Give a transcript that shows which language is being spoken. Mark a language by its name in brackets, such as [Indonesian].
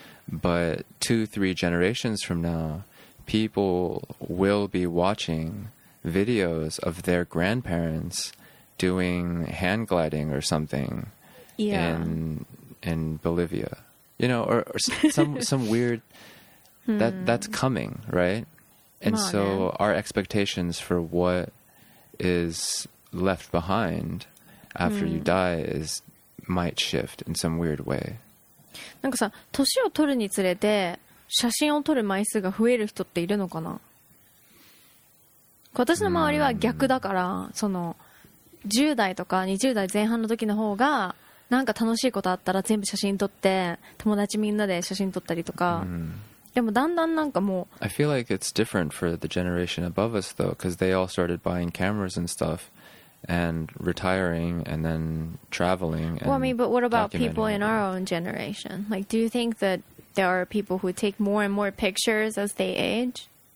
[English] But 2-3 generations from now, people will be watching videos of their grandparents doing hand gliding or something in Bolivia, you know, or some weird that's coming, right? And so our expectations for what is left behind after you die is might shift in some weird way. [Japanese] なんかさ、年を取るにつれて写真を撮る枚数が増える人っているのかな？私の周りは逆だから、その10代とか20代前半の時の方がなんか楽しいことあったら全部写真撮って友達みんなで写真撮ったりとか、でもだんだんなんかもう [English] I feel like it's different for the generation above us though, because they all started buying cameras and stuff and retiring and then traveling. And well, I mean, but what about people in our own generation? Like, do you think that there are people who take more and more pictures as they age?